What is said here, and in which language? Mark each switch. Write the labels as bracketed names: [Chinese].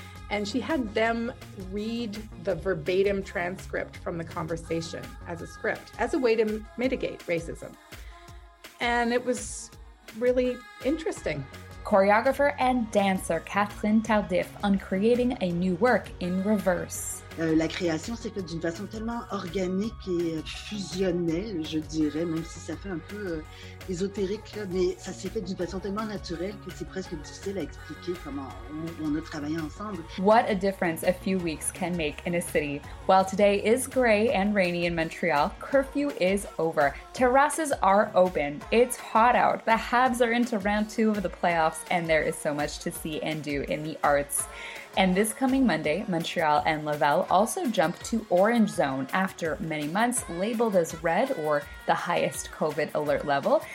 [English] And she had them read the verbatim transcript from the conversation as a script, as a way to mitigate racism. And it was really interesting. Choreographer and dancer Kathleen Tardif on creating a new work in reverse. [French] La création s'est faite d'une façon tellement organique et fusionnelle, je dirais, même si ça fait un peu ésotérique, là, mais ça s'est fait d'une façon tellement naturelle que c'est presque difficile à expliquer comment on a travaillé ensemble. [English] What a difference a few weeks can make in a city. While today is gray and rainy in Montreal, curfew is over. Terrasses are open. It's hot out. The Habs are into round two of the playoffs, and there is so much to see and do in the arts. And this coming Monday, Montreal and Laval also jump to orange zone after many months labeled as red or the highest COVID alert level.